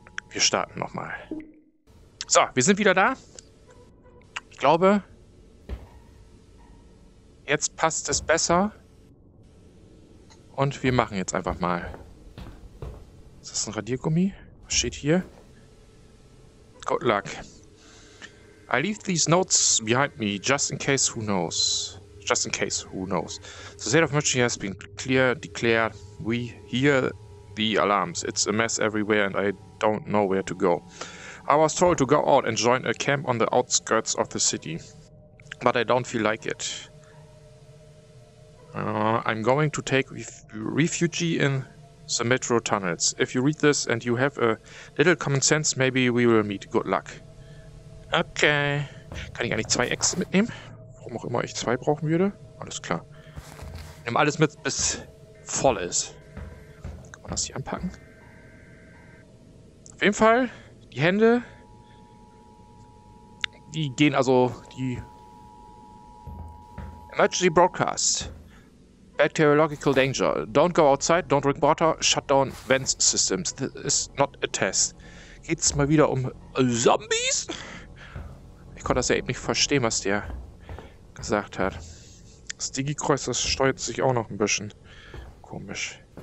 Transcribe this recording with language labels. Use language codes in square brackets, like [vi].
[de] Wir starten noch mal. So, wir sind wieder da. Ich glaube, jetzt passt es besser. Und wir machen jetzt einfach mal. Ist das ein Radiergummi? Was steht hier? [en] Good luck. I leave these notes behind me just in case who knows. Just in case who knows. The state of emergency has been declared. We hear the alarms. It's a mess everywhere and I don't know where to go. I was told to go out and join a camp on the outskirts of the city. But I don't feel like it. I'm going to take refuge in the metro tunnels. If you read this and you have a little common sense, maybe we will meet. Good luck. [de] Okay. Kann ich eigentlich zwei Äxte mitnehmen? Warum auch immer ich zwei brauchen würde? Alles klar. Nimm alles mit, bis voll ist. Kann man das hier anpacken? Auf jeden Fall, die Hände. Die gehen also, die... [en] Emergency Broadcast. Bacteriological danger. Don't go outside, don't drink water, shut down vents systems. This is not a test. [de] Geht's mal wieder um Zombies? Ich konnte das ja eben nicht verstehen, was der gesagt hat. Das Digi-Kreuz, das steuert sich auch noch ein bisschen komisch.